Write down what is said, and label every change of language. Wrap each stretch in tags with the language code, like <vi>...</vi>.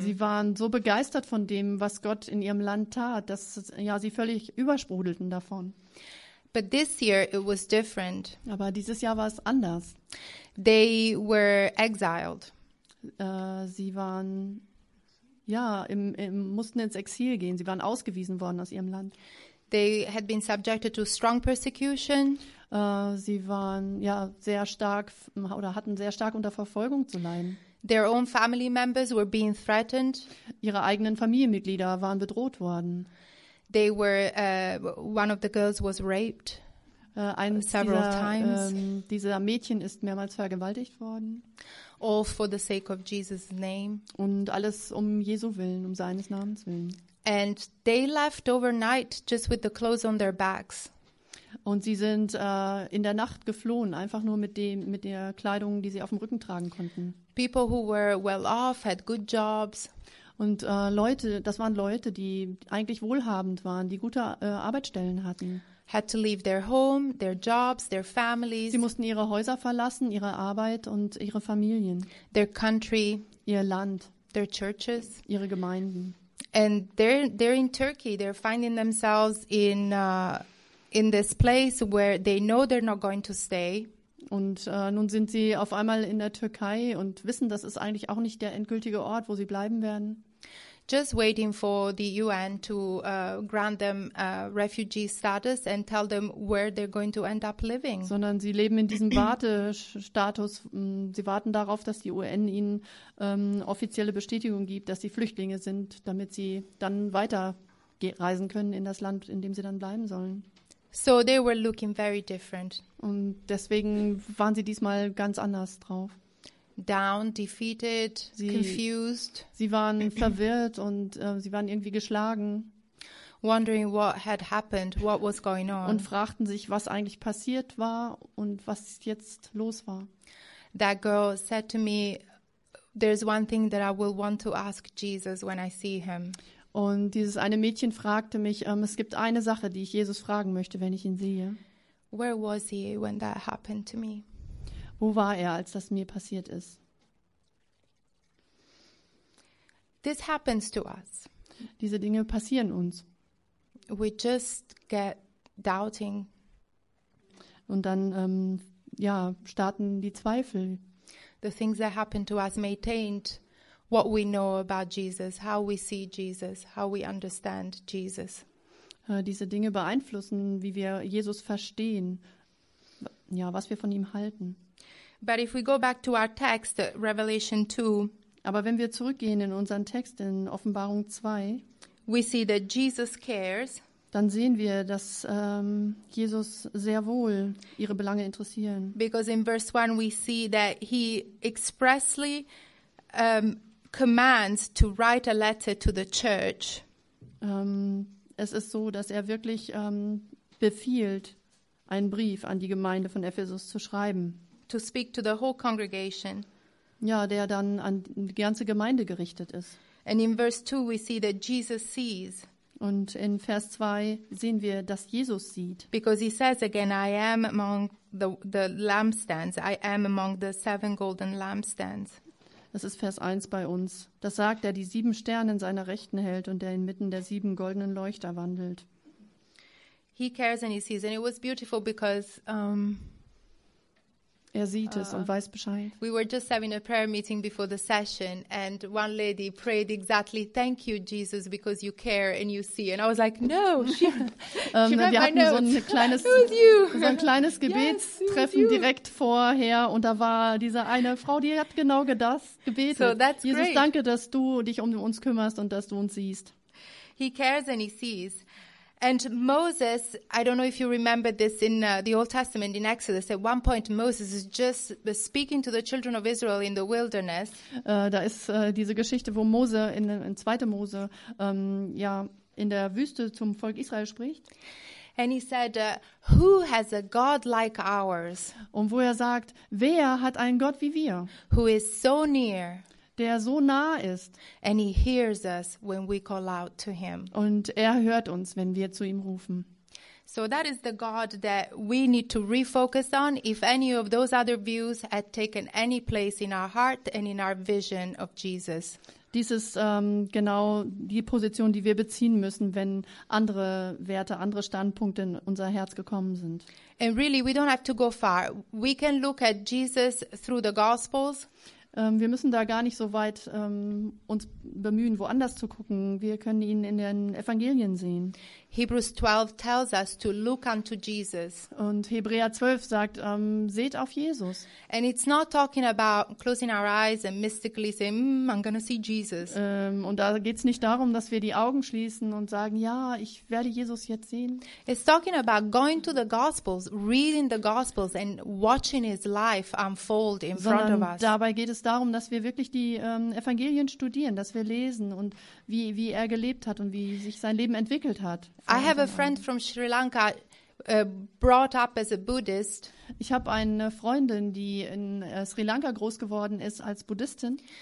<de>Sie waren so begeistert von dem, was Gott in ihrem Land tat, dass ja, sie völlig übersprudelten davon.</de> <en>But this year it was different.</en> <de>Aber dieses Jahr war es anders.</de> <en>They were exiled.</en> <de>Sie waren ja, mussten ins Exil gehen. Sie waren ausgewiesen worden aus ihrem Land.</de> <en>They had been subjected to strong persecution.</en> <de>Sie waren ja sehr stark oder hatten sehr stark unter Verfolgung zu leiden.</de> <en>Their own family members were being threatened.</en> <de>Ihre eigenen Familienmitglieder waren bedroht worden.</de> <en>They were one of the girls was raped several times.</en> <de>Dieser Mädchen ist mehrmals vergewaltigt worden.</de> <en>All for the sake of Jesus' name.</en> <de>Und alles um Jesu willen, um seines Namens willen.</de> <en>And they left overnight just with the clothes on their backs.</en> <de>Und sie sind in der Nacht geflohen, einfach nur mit der Kleidung, die sie auf dem Rücken tragen konnten.</de> <en>People who were well off had good jobs.</en> <de>Und Leute, das waren Leute, die eigentlich wohlhabend waren, die gute Arbeitsstellen hatten.</de> <en>Had to leave their home, their jobs, their families.</en> <de>Sie mussten ihre Häuser verlassen, ihre Arbeit und ihre Familien.</de> <en>Their country,</en> <de>ihr Land,</de> <en>their churches,</en> <de>ihre Gemeinden.</de> <en>And they're in Turkey, they're finding themselves in this place where they know they're not going to stay.</en> <de>Und nun sind sie auf einmal in der Türkei und wissen, das ist eigentlich auch nicht der endgültige Ort, wo sie bleiben werden.</de> <en>Just waiting for the UN to grant them refugee status and tell them where they're going to end up living.</en> <de>Sondern sie leben in diesem Wartestatus. Sie warten darauf, dass die UN ihnen offizielle Bestätigung gibt, dass sie Flüchtlinge sind, damit sie dann weiter reisen können in das Land, in dem sie dann bleiben sollen.</de> <en>So they were looking very different.</en> <de>Und deswegen waren sie diesmal ganz anders drauf.</de> <en>down, defeated, confused.</en> <de>Sie waren verwirrt und sie waren irgendwie geschlagen.</de> <en>Wondering what had happened, what was going on.</en> <de>Und fragten sich, was eigentlich passiert war und was jetzt los war.</de> <en>That girl said to me, there's one thing that I will want to ask Jesus when I see him.</en> <de>Und dieses eine Mädchen fragte mich, es gibt eine Sache, die ich Jesus fragen möchte, wenn ich ihn sehe.</de> <en>Where was he when that happened to me?</en> <de>Wo war er, als das mir passiert ist?</de> <en>This happens to us.</en> <de>Diese Dinge passieren uns.</de> <en>We just get doubting.</en> <de>Und dann starten die Zweifel.</de> <en>The things that happen to us may taint what we know about Jesus, how we see Jesus, how we understand Jesus.</en> <de>Diese Dinge beeinflussen, wie wir Jesus verstehen, ja, was wir von ihm halten.</de> <en>But if we go back to our text, Revelation 2,</en> <de>aber wenn wir zurückgehen in unseren Text in Offenbarung 2,</de> <en>we see that Jesus cares.</en> <de>Dann sehen wir, dass Jesus sehr wohl ihre Belange interessieren.</de> <en>Because in verse 1 we see that he expressly commands to write a letter to the church.</en> <de>Es ist so, dass er wirklich befiehlt, einen Brief an die Gemeinde von Ephesus zu schreiben.</de> <en>To speak to the whole congregation.</en> <de>Ja, der dann an die ganze Gemeinde gerichtet ist.</de> <en>And in verse 2 we see that Jesus sees.</en> <de>Und in Vers 2 sehen wir, dass Jesus sieht.</de> <en>Because he says again, I am among the lampstands. I am among the seven golden lampstands.</en> <de>Das ist Vers 1 bei uns. Das sagt, der die sieben Sterne in seiner Rechten hält und der inmitten der sieben goldenen Leuchter wandelt.</de> <en>He cares and he sees. And it was beautiful because</en> <de>er sieht es und weiß Bescheid.</de> <en>We were just having a prayer meeting before the session and one lady prayed exactly, thank you, Jesus, because you care and you see. And I was like, no, she read my notes.</en> <de>Wir hatten so ein kleines Gebetstreffen</de> <en>yes,</en> <de>direkt vorher und da war diese eine Frau, die hat genau das gebetet.</de> <en>So that's Jesus, great.</en> <de>Danke, dass du dich um uns kümmerst und dass du uns siehst.</de> <en>He cares and he sees. And Moses, I don't know if you remember this in the Old Testament, in Exodus, at one point Moses is just speaking to the children of Israel in the wilderness.</en> <de>Da ist diese Geschichte, wo Mose in 2. Mose in der Wüste zum Volk Israel spricht.</de> <en>And he said, who has a God like ours?</en> <de>Und wo er sagt, wer hat einen Gott wie wir?</de> <en>Who is so near.</en> <de>Der so nah ist.</de> <en>And he hears us when we call out to him.</en> <de>Und er hört uns, wenn wir zu ihm rufen.</de> <en>So that is the God that we need to refocus on if any of those other views had taken any place in our heart and in our vision of Jesus.</en> <de>Dies ist genau die Position, die wir beziehen müssen, wenn andere Werte, andere Standpunkte in unser Herz gekommen sind.</de> <en>And really, we don't have to go far. We can look at Jesus through the Gospels.</en> <de>Wir müssen da gar nicht so weit uns bemühen, woanders zu gucken. Wir können ihn in den Evangelien sehen.</de> <en>Hebrews 12 tells us to look unto Jesus.</en> <de>Und Hebräer 12 sagt, seht auf Jesus.</de> <en>And it's not talking about closing our eyes and mystically saying, I'm gonna see Jesus.</en> <de>Und da geht's nicht darum, dass wir die Augen schließen und sagen, ja, ich werde Jesus jetzt sehen.</de> <en>It's talking about going to the Gospels, reading the Gospels and watching his life unfold in</en> <de>Sondern</de> <en>front of us.</en> <de>Dabei geht es darum, dass wir wirklich die Evangelien studieren, dass wir lesen und wie er gelebt hat und wie sich sein Leben entwickelt hat.</de> <en>I have a friend from Sri Lanka brought up as a Buddhist.</en> <de>Ich habe eine Freundin, die in Sri Lanka groß geworden ist als Buddhistin.</de>